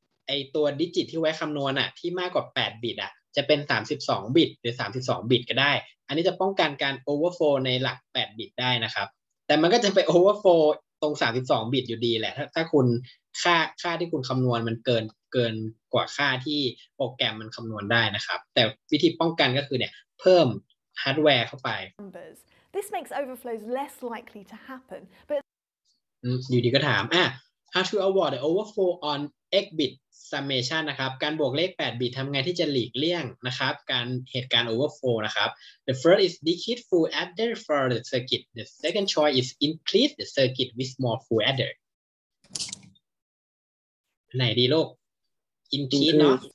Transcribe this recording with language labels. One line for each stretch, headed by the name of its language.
Thai: ไอตัวดิจิตที่ไว้คำนวณอ่ะที่มากกว่า8บิตอ่ะจะเป็น32บิตหรือ32บิตก็ได้อันนี้จะป้องกันการโอเวอร์โฟลในหลัก8บิตได้นะครับแต่มันก็จะไปโอเวอร์โฟลตรง32บิตอยู่ดีแหละถ้าคุณค่าที่คุณคำนวณมันเกินกว่าค่าที่โปรแกรมมันคำนวณได้นะครับแต่วิธีป้องกันก็คือเนี่ยเพิ่มฮาร์ดแวร์เข้าไป
English: This makes overflows less likely to happen but
Thai: อยู่ดีก็ถาม
English: how to avoid the overflow on 8 bit summation
Thai: นะครับการบวกเลข8บิตทำไงที่จะหลีกเลี่ยงนะครับการเหตุการณ์
English: overflow นะครับ the first is decrease full adder for the circuit the second choice is increase the circuit with more full adder
Thai: ไหนดีลูก
English: increase เนาะ